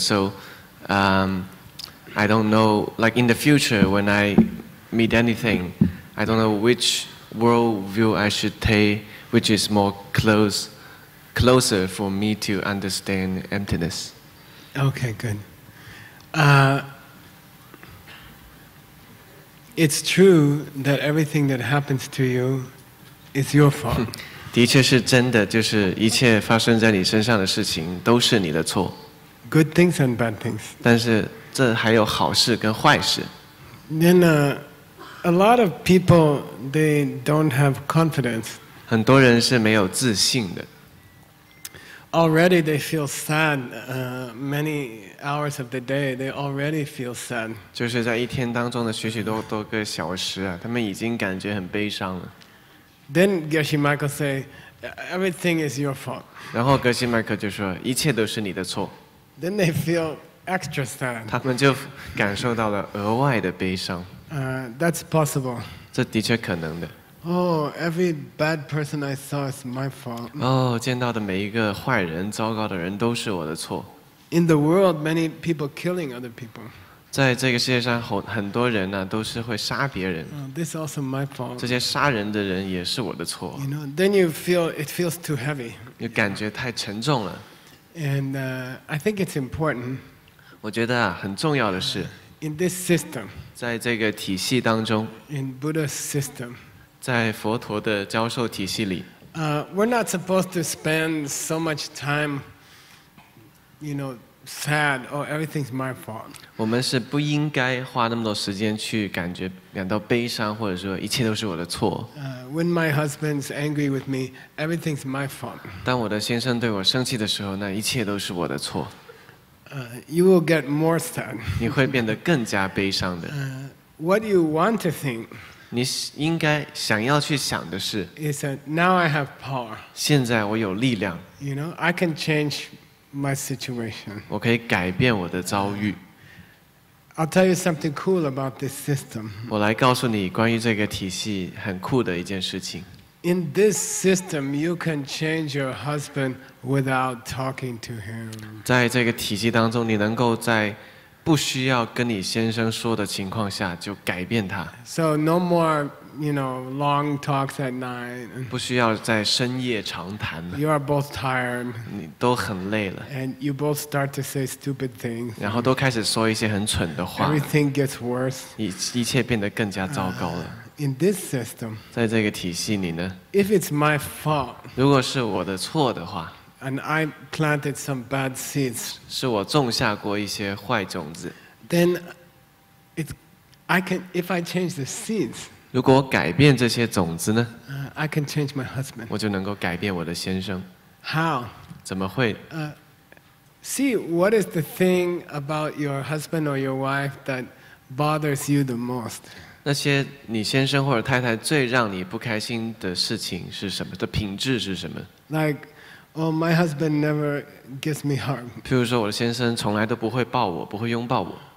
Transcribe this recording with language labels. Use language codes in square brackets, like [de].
[en] So I don't know, like in the future when I meet anything, I don't know which worldview I should take, which is more closer for me to understand emptiness. Okay, good. It's true that everything that happens to you is your fault. [zh] 的确是真的，就是一切发生在你身上的事情都是你的错。 [en] Good things and bad things. [zh] 但是这还有好事跟坏事。 [en] Then, a lot of people, they don't have confidence. [zh] 很多人是没有自信的。 [en] Already they feel sad, many hours of the day, they already feel sad. [zh] 就是在一天当中的许许多多个小时啊，他们已经感觉很悲伤了。 [en] Then Geshe Michael say, everything is your fault. [zh] 然后 Geshe Michael 就说，一切都是你的错。 [en] Then they feel extra sad. [zh] 他们就感受到了额外的悲伤。 [en] That's possible. [zh] 这的确可能的。 [en] Oh, every bad person I saw is my fault. [zh] 哦，见到的每一个坏人、糟糕的人都是我的错。 [en] In the world, many people killing other people. [zh] 在这个世界上，很多人呢都是会杀别人。 [en] This is also my fault. [zh] 这些杀人的人也是我的错。 [en] You know, then you feel it feels too heavy. [zh] 就感觉太沉重了。 [en] And I think it's important. [zh] 我觉得啊，很重要的是。 [en] In this system, [zh] 在这个体系当中 [en] in Buddha's system, [zh] 在佛陀的教授体系里 [en] we're not supposed to spend so much time, you know, sad or everything's my fault. [zh] 我们是不应该花那么多时间去感到悲伤，或者说一切都是我的错。 [en] When my husband's angry with me, everything's my fault. [zh] 当我的先生对我生气的时候，那一切都是我的错。 [en] You will get more sad. [zh] 你会变得更加悲伤的。 [en] What you want to think? [zh] 你应该想要去想的是。 [en] Is that now I have power? [zh] 现在我有力量。 [en] You know, I can change my situation. [zh] 我可以改变我的遭遇。 [en] I'll tell you something cool about this system. [zh] 我来告诉你关于这个体系很酷的一件事情。 [en] In this system, you can change your husband without talking to him. [zh] 在这个体系当中，你能够在不需要跟你先生说的情况下就改变他。 [en] So no more, you know, long talks at night. [zh] 不需要在深夜长谈了。 [en] You are both tired. [zh] 你都很累了。 [en] And you both start to say stupid things. [zh] 然后都开始说一些很蠢的话。 [en] Everything gets worse. [zh] 一切变得更加糟糕了。 [en] In this system, [zh] 在这个体系里呢 [en] if it's my fault, [zh] 如果是我的错的话 [en] and I planted some bad seeds, [zh] 是我种下过一些坏种子 [en] then it, I can, if I change the seeds, [zh] 如果我改变这些种子呢 [en] I can change my husband. [zh] 我就能够改变我的先生 [en] How? [zh] 怎么会 [en] See, what is the thing about your husband or your wife that bothers you the most? [zh] 那些你先生或者太太最让你不开心的事情是什么？的品质是什么 [en] ？Like, oh, my husband never gives me hug. [zh] 譬如说，我的先生从来都不会抱我，不会拥抱我。